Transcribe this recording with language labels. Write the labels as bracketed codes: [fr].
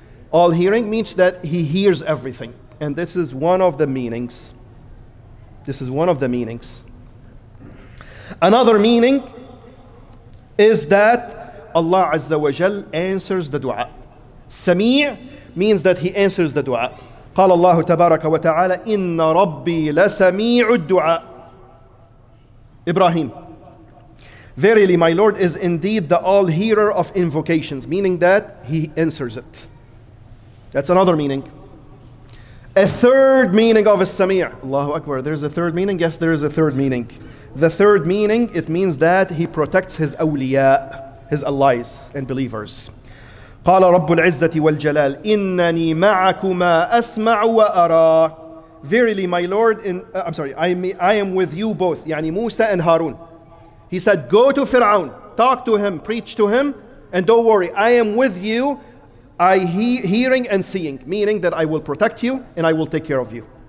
[en] All hearing means that he hears everything. And this is one of the meanings. This is one of the meanings. Another meaning is that Allah Azza wa Jal answers the dua. Sami' means that he answers the dua. [ar] قال الله تبارك وتعالى إن ربي لسميع الدعاء. [en] Ibrahim. Verily my Lord is indeed the all hearer of invocations, meaning that he answers it. That's another meaning. A third meaning of Sami'. Allahu Akbar, there's a third meaning? Yes, there is a third meaning. The third meaning, it means that he protects his awliya, his allies and believers. [ar] قال رب العزة والجلال إنني معكما أسمع وأرى. [en] Verily my Lord, I am with you both, [ar] يعني موسى [en] and Harun. He said, go to Fir'aun, talk to him, preach to him, and don't worry, I am with you, hearing and seeing, meaning that I will protect you and I will take care of you.